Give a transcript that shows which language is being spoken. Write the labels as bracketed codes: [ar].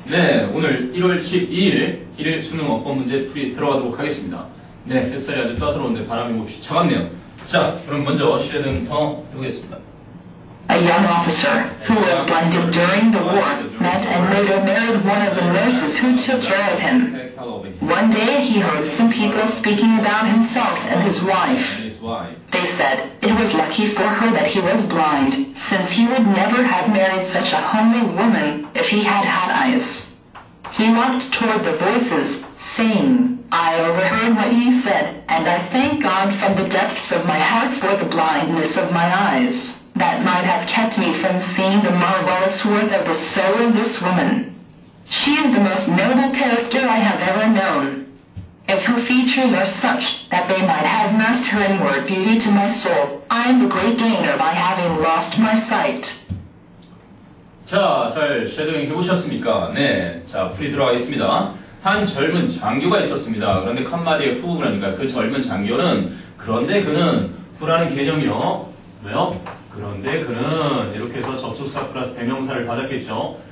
[ko] 네, 오늘 1월 12일 일일 수능 어법 문제 풀이 들어가도록 하겠습니다. 네, 햇살이 아주 따스러운데 바람이 몹시 차갑네요. 자, 그럼 먼저 실외 등 통 해보겠습니다. [en] A young officer who was wounded during the war met and later married one of the nurses who took care of him. One day he heard some people speaking about himself and his wife. They said it was lucky for her that he was blind, since he would never have married such a homely woman if he had had eyes. He walked toward the voices, saying, I overheard what you said, and I thank God from the depths of my heart for the blindness of my eyes. That might have kept me from seeing the marvelous worth of the soul of this woman. She is the most noble character I have ever known. If her features are such that they might have masked her inward beauty to my soul, I am the great gainer by having lost my sight. [ko] 자, 잘 쉐도잉 해보셨습니까? 네, 자, 풀이 들어가겠습니다. 한 젊은 장교가 있었습니다. 그런데 칸마리의 후그라니까 그 젊은 장교는 그런데 그는 후라는 개념이요. 왜요? 그런데 그는 이렇게 해서 접속사 플러스 대명사를 받았겠죠.